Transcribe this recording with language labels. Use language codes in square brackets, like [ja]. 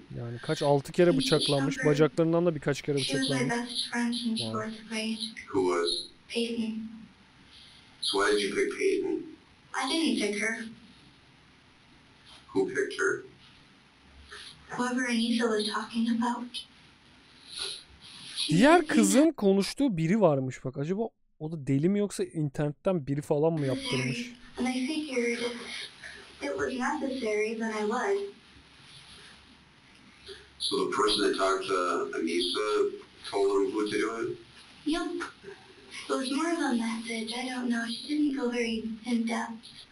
[tr] Yani kaç 6 kere bıçaklanmış. Bacaklarından da birkaç kere bıçaklanmış. [en] She was my best friend since fourth grade. Who was? Peyton. So why did you pick Peyton? I didn't pick her. Who picked her? Whoever Anissa was talking about. [tr] Diğer kızın konuştuğu biri varmış bak. Acaba o da deli mi yoksa internetten biri falan mı yaptırmış? [en] And I figured it was necessary that I was. So the person that talked to Anissa told them who to do it? Yup. It was more of a message. I don't know. She didn't go very in-depth.